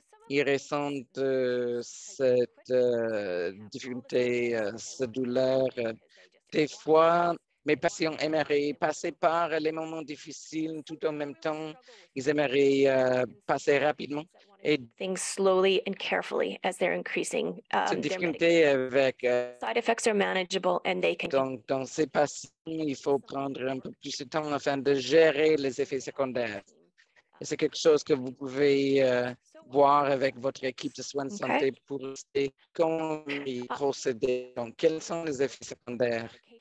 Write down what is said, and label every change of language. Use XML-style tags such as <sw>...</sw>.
<fr>Ils ressentent cette difficulté, cette douleur. Des fois, mes patients aimeraient passer par les moments difficiles tout en même temps. Ils aimeraient passer rapidement. Et</fr> <en>things slowly and carefully as they're increasing.</en> <fr>Cette difficulté avec.</fr> <en>Side effects are manageable and they can.</en> <fr>Donc, dans ces patients, il faut prendre un peu plus de temps afin de gérer les effets secondaires. C'est quelque chose que vous pouvez voir avec votre équipe de soins de santé pour savoir comment y procéder. Donc, quels sont les effets secondaires?</fr>